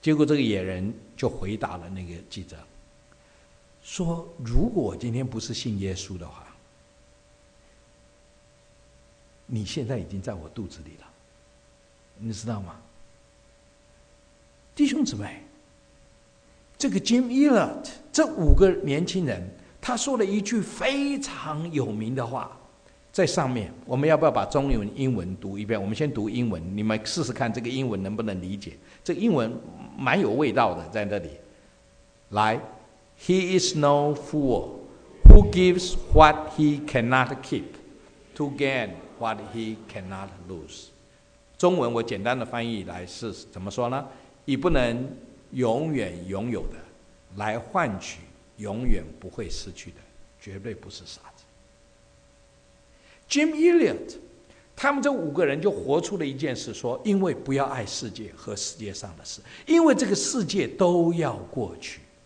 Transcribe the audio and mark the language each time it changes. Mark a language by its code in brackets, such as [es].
[zh] 结果这个野人就回答了那个记者，说：“如果我今天不是信耶稣的话，你现在已经在我肚子里了，你知道吗，弟兄姊妹？” 这个 Jim Elliot 这五个年轻人，他说了一句非常有名的话，在上面我们要不要把中文英文读一遍，我们先读英文，你们试试看这个英文能不能理解，这个、英文蛮有味道的。在那里来， [en] He is no fool who gives what he cannot keep to gain what he cannot lose。 [zh] 中文我简单的翻译来是怎么说呢，你不能永远拥有的来换取永远不会失去的，绝对不是傻子。 Jim Elliot 他们这五个人就活出了一件事，说因为不要爱世界和世界上的事，因为这个世界都要过去。